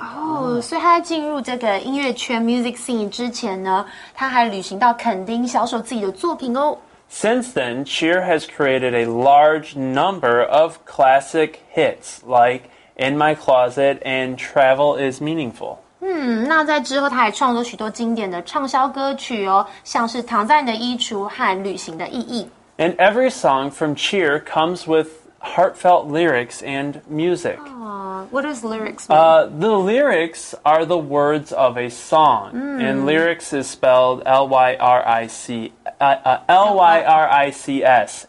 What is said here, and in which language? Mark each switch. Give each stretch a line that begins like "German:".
English: Oh, so she
Chinese: 进入这个音乐圈 music scene 之前呢，她还旅行到肯丁销售自己的作品哦。
English: Since then, Cheer has created a large number of classic hits like In My Closet and Travel is Meaningful.
Chinese: 那在之后他还创作许多经典的畅销歌曲哦，像是《躺在你的衣橱》和《旅行的意义》。
English: And every song from Cheer comes with heartfelt lyrics and music. What does lyrics mean? The lyrics are the words of a song. And lyrics is spelled L-Y-R-I-C-S.